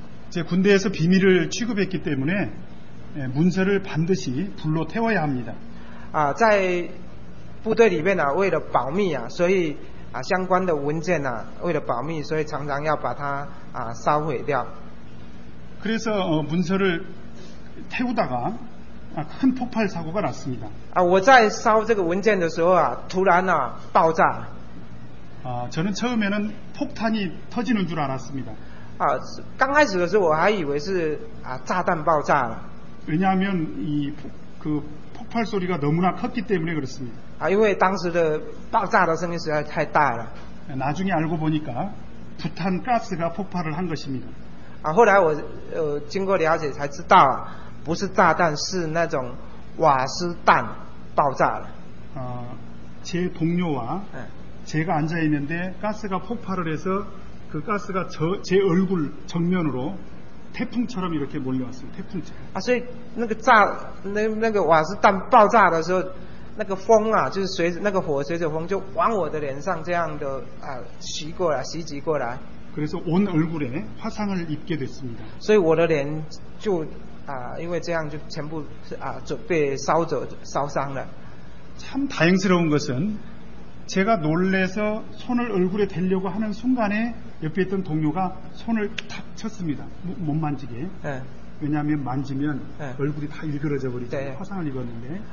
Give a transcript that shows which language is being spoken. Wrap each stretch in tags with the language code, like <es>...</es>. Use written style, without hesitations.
<ko>제군대에서비밀을취급했기때문에문서를반드시불로태워야합니다</ko> <zh>아在部队里面啊为了保密啊所以啊相关的文件啊为了保密所以常常要把它啊烧毁掉</zh> <ko>그래서문서를태우다가큰폭발사고가났습니다</ko> <zh>아我在烧这个文件的时候啊突然啊爆炸</zh> <ko>아저는처음에는폭탄이터지는줄알았습니다</ko> <zh>啊，刚开始的时候我还以为是啊炸弹爆炸</zh> <ko>왜냐하면이그폭발소리가너무나컸기때문에그렇습니다</ko> <zh>啊，因为当时的爆炸的声音实在太大了。</zh> <ko>나중에알고보니까부탄가스가폭발을한것입니다</ko> <zh>啊，后来我经过了解才知道，不是炸弹，是那种瓦斯弹爆炸了。</zh> <ko>아제동료와제가앉아있는데가스가폭발을해서그가스가저제얼굴정면으로태풍처럼이렇게몰려왔어요태풍처럼</ko> <zh>아所以那个炸那那个瓦斯弹爆炸的时候那个风啊就是随着那个火随着风就往我的脸上这样的啊袭过来袭击过来</zh> <ko>그래서온얼굴에화상을입게됐습니다</ko> <zh>所以我的脸就啊，因为这样就全部是啊，就被烧着烧伤了。</zh> <ko>참다행스러운것은제가놀래서손을얼굴에대려고하는순간에옆에있던동료가손을탁쳤습니다못만지게왜냐하면만지면얼굴이다일그러져버리죠화상을입었는데</ko>